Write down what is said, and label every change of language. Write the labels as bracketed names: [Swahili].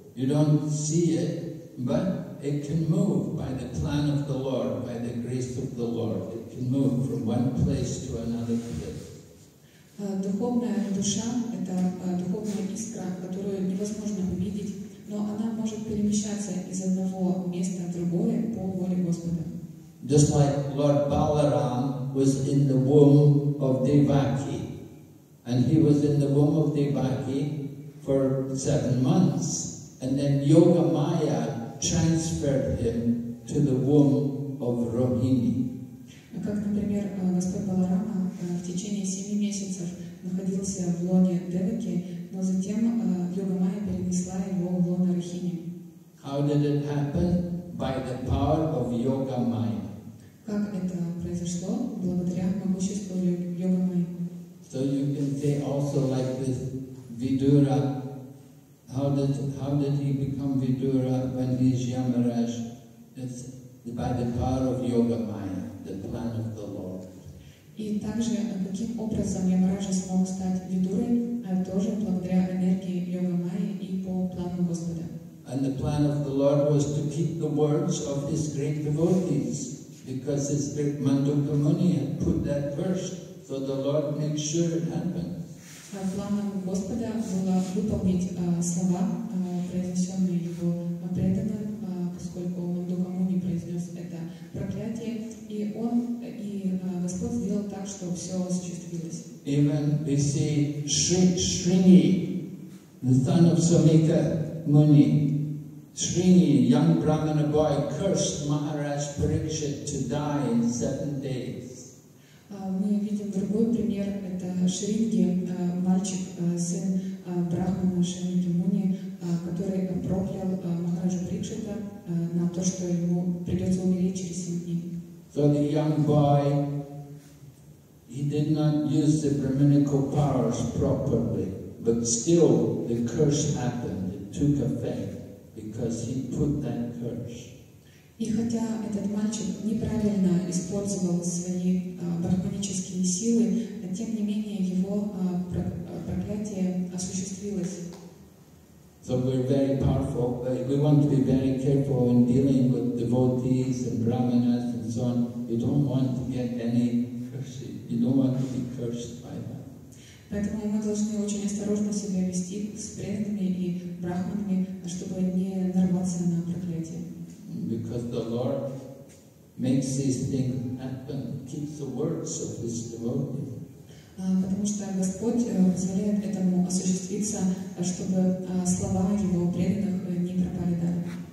[English] You don't see it, but it can move by the plan of the Lord, by the grace of the Lord. It can move from one place to another place. [Russian] Духовная душа — это духовная искра, которую невозможно увидеть, но она может перемещаться из одного места в другое по воле Господа. [English] Just like Lord Balaram was in the womb of Devaki, and he was in the womb of Devaki for 7 months, and then Yoga Maya transferred him to the womb of Rohini. [Russian] Как, например, Господь Баларама в течение 7 месяцев находился в лоне Деваки, но затем Йога Майя перенесла его в лоно Рахини. [English] How did it happen? By the power of Yoga Maya. [Russian] Как это произошло? Благодаря могуществу Йога Майи. [English] So you can say also like this Vidura. How did he become Vidura when he's Yamaraj? It's by the power of Yoga Maya, the plan of the Lord. [Russian] И также, каким образом Ямараджа смог стать Видурой, тоже благодаря энергии Йога Майи и по плану Господа. [English] And the plan of the Lord was to keep the words of His great devotees, because His great Mandukka Muni had put that verse, so the Lord made sure it happened. [Russian] Планом Господа было выполнить слова, произнесенные Его преданным, поскольку Мандукка Муни произнес это проклятие, и Он Господь сделал так, что все осуществилось. [English] Even we see Shringi, the son of Somika Muni. Shringi, young Brahmana boy, cursed Maharaj Parikshit to die in 7 days. [Russian] Мы видим другой пример. Это Шринги, мальчик, сын Брахмана Шринги Муни, который проклял Махараджа Парикшита на то, что ему придется умереть через 7 дней. [English] So the young boy, he did not use the brahminical powers properly, but still the curse happened. It took effect because he put that curse. [Russian] И хотя этот мальчик неправильно использовал свои брахманические силы, тем не менее его проклятие осуществилось. [English] So we're very powerful. We want to be very careful in dealing with devotees and brahmanas and so on. You don't want to get any curses. You don't want to be cursed by them. [Russian] Поэтому мы должны очень осторожно себя вести с преданными и брахманами, чтобы не нарваться на проклятие. [English] Because the Lord makes these things happen, keeps the words of His devotees. [Russian] Потому что Господь позволяет этому осуществиться, чтобы слова Его преданных не пропали даром.